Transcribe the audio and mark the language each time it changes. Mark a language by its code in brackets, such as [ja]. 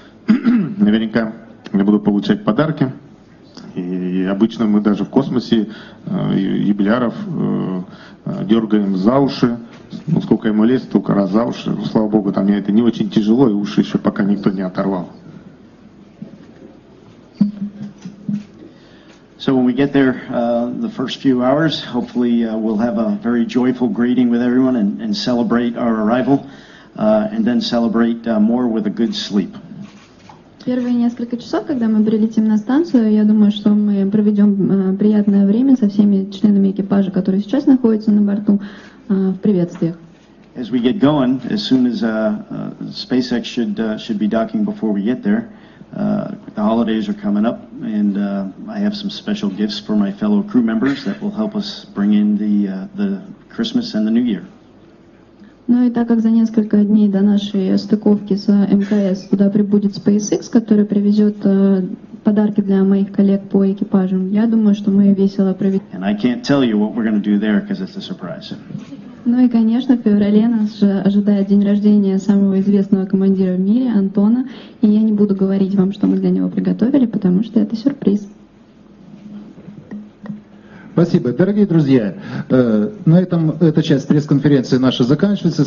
[ru] Наверняка я буду получать подарки. И обычно мы даже в космосе юбиляров дергаем за уши. Сколько ему лет, столько раз за уши. Слава Богу, там мне это не очень тяжело, и уши еще пока никто не оторвал. [en] So when we get there, the first few hours, hopefully we'll have a very joyful greeting with everyone and celebrate our arrival, and then celebrate more with a good sleep. [ru] Первые несколько часов, когда мы прилетим на станцию, я думаю, что мы проведем приятное время со всеми членами экипажа, которые сейчас находятся на борту, в приветствиях. [en] As we get going, as soon as SpaceX should be docking before we get there, the holidays are coming up, and I have some special gifts for my fellow crew members that will help us bring in the Christmas and the New Year. [ru] Ну и так как за несколько дней до нашей стыковки с МКС туда прибудет SpaceX, который привезет подарки для моих коллег по экипажам, я думаю, что мы весело проведем. [en] And I can't tell you what we're going to do there, because it's a surprise. [ru] Ну и, конечно, в феврале нас же ожидает день рождения самого известного командира в мире, Антона, и я не буду говорить вам, что мы для него приготовили, потому что это сюрприз. Спасибо. Дорогие друзья, на этом эта часть пресс-конференции наша заканчивается.